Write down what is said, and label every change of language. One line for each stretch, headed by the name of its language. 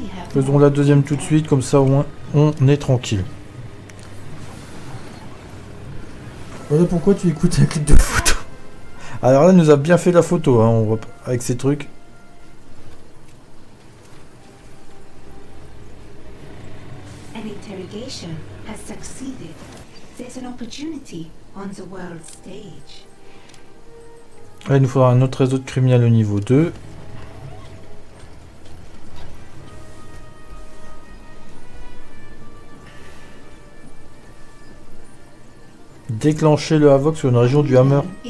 French: Faisons la deuxième tout de suite, comme ça au moins on est tranquille. Voilà pourquoi tu écoutes un clip de photo. Alors là, il nous a bien fait la photo, hein, on va, avec ces trucs.
English: An interrogation has succeeded. There's an opportunity on the world stage.
French: Ouais, il nous faudra un autre réseau de criminels au niveau 2. Déclencher le Havoc sur une région du Hammer.